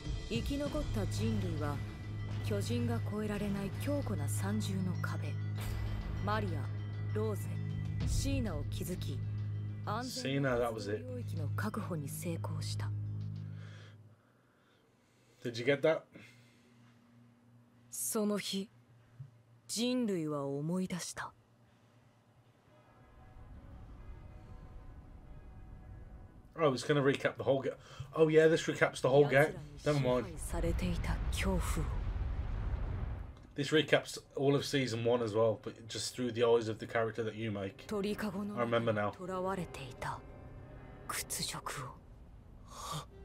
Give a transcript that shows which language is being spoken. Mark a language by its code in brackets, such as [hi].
[ja] 生き残った人類は。巨人が越えられない強固な三重の壁マリア、ローゼ、シーナを築き安全な水領域の確保に成功した [en] Did you get that? [ja] その日、人類は思い出した [en] Oh, it's gonna recap the whole game Oh yeah, this recaps the whole game Never mind [ja] 奴らに支配されていた恐怖を [en] This recaps all of season one as well, but just through the eyes of the character that you make. I remember now. [ja] とらわれていた屈辱を。